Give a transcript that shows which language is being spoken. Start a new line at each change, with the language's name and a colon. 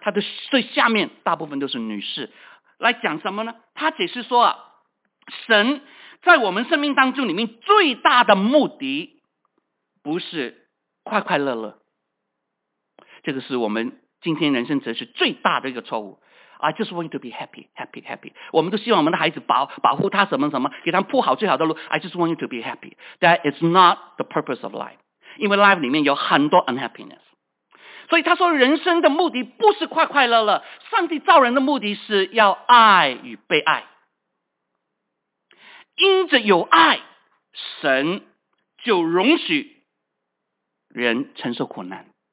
Chinese: 他的最下面大部分都是女士，来讲什么呢？他解释说啊，神在我们生命当中里面最大的目的不是快快乐乐，这个是我们今天人生哲学最大的一个错误。
English: I just want to be happy, happy, happy.
Chinese: 我们都希望我们的孩子保护他什么什么，给他铺好最好的路。
English: I just want you to be happy. That is not the purpose of life.
Chinese: 因为 life 里面有很多 unhappiness. 所以他说人生的目的不是快快乐乐，上帝造人的目的是要爱与被爱。因着有爱，神就容许人承受苦难。